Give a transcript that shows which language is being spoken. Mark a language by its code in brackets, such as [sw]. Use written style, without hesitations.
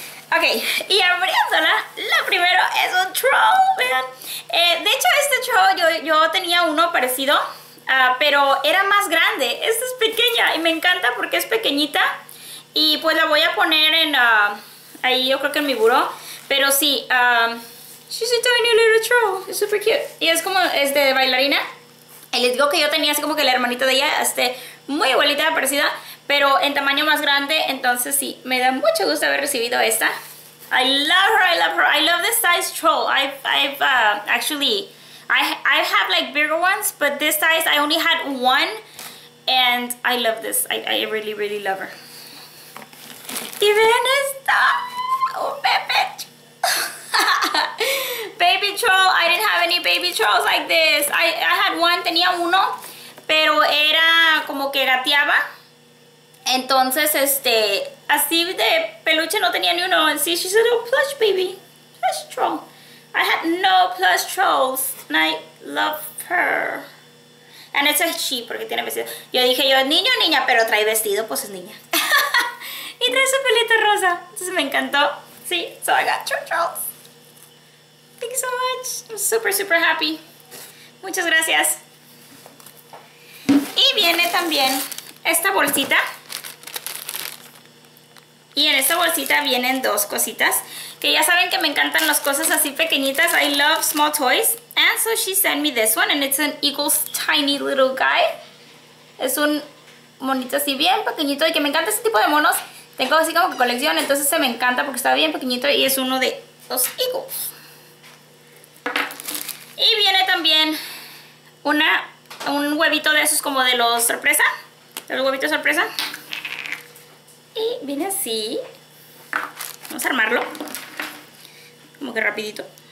[es] Ok, y abriéndola, lo primero es un troll, vean. De hecho, este troll yo tenía uno parecido, pero era más grande. Esta es pequeña y me encanta porque es pequeñita. Y pues la voy a poner en ahí, yo creo que en mi buró. Pero sí, [en] she's a tiny little troll, it's super cute. [es] Y es como, es de bailarina. Y les digo que yo tenía así como que la hermanita de ella, muy igualita, parecida, pero en tamaño más grande. Entonces sí, me da mucho gusto haber recibido esta. [en] I love her, I love her, I love the size troll. I have like bigger ones, but this size I only had one, and I love this. I really really love her. [es] Y vean esta, un bebé [en] baby troll. I didn't have any baby trolls like this. I had one, [es] tenía uno, pero era como que gateaba. Entonces, así de peluche no tenía ni uno. [en] And see, she's a little plush baby. Plush troll. I had no plush trolls. And I love her. And it's a she, [es] porque tiene vestido. Yo dije, yo, niño o niña, pero trae vestido, pues es niña. Y trae su pelito rosa. Entonces me encantó. [en] Sí, so I got two trolls. Thank you so much. I'm super, super happy. [es] Muchas gracias. Y viene también esta bolsita. Y en esta bolsita vienen dos cositas. Que ya saben que me encantan las cosas así pequeñitas. [en] I love small toys. And so she sent me this one. And it's an Eagle's tiny little guy. [es] Es un monito así bien pequeñito. Y que me encanta ese tipo de monos. Tengo así como que colección. Entonces se me encanta porque está bien pequeñito. Y es uno de los Eagles. Y viene también un huevito de esos como de los sorpresa. De los huevitos sorpresa. Y viene así. Vamos a armarlo. Como que rapidito.